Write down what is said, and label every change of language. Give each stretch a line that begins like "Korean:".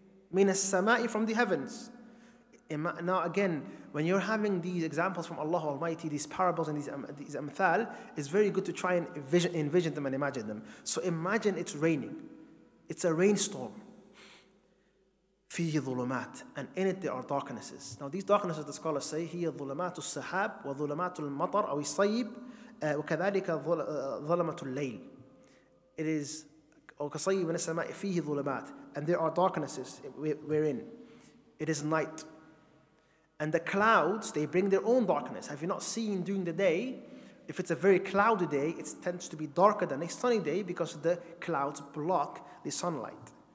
Arabic: Min as-sama'i,
English: from the heavens. Now again, when you're having these examples from Allah Almighty, these parables and these amthal, it's very good to try and envision them and imagine them. So imagine it's raining. It's a rainstorm.
Arabic: فِيهِ ظُلُمَاتِ.
English: And in it there are darknesses. Now these darknesses, the scholars say,
Arabic: هِيَ ظُلُمَاتُ السَّحَابِ وَظُلُمَاتُ الْمَطَرِ أَوِ السَّيِّبِ. وَكَذَلِكَ ظَلَمَةُ اللَّيْلِ.
English: It is
Arabic: وَكَصَيِّبِ مِنَ السَّمَاءِ فِيهِ ظُلُمَاتِ.
English: And there are darknesses wherein it is night. And the clouds, they bring their own darkness. Have you not seen during the day, if it's a very cloudy day, it tends to be darker than a sunny day because the clouds block the sunlight.